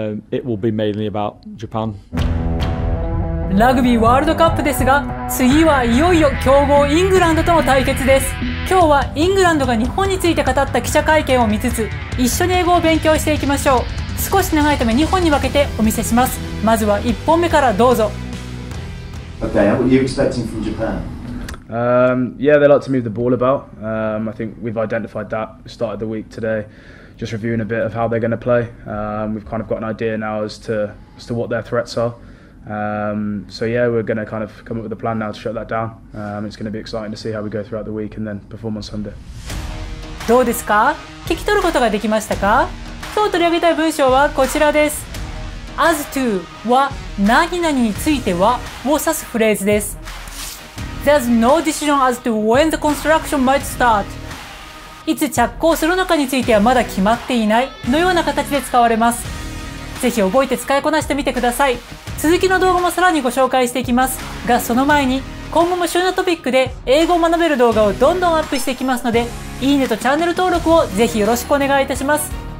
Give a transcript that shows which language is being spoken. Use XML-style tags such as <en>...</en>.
<en>It will be mainly about Japan.</en> <ja>ラグビーワールドカップですが、次はいよいよ強豪イングランドとの対決です。今日はイングランドが日本について語った記者会見を見つつ、一緒に英語を勉強していきましょう。少し長いため2本に分けてお見せします。まずは1本目からどうぞ。</ja> <en>Okay, what are you expecting from Japan? Yeah, they like to move the ball about. I think we've identified that. Started the week today, just reviewing a bit of how they're going to play. We've kind of got an idea now as to what their threats are. So yeah, we're going to kind of come up with a plan now to shut that down. It's going to be exciting to see how we go throughout the week and then perform on Sunday.</en> <ja>どうですか？聞き取ることができましたか？今日取り上げたい文章はこちらです。 As to は何々についてはを指すフレーズです。</ja> <en>There's no decision as to when the construction might start.</en> <ja>いつ着工するのかについてはまだ決まっていないのような形で使われます。ぜひ覚えて使いこなしてみてください。続きの動画もさらにご紹介していきます。が、その前に今後も主要なトピックで英語を学べる動画をどんどんアップしていきますので、いいねとチャンネル登録をぜひよろしくお願いいたします。</ja>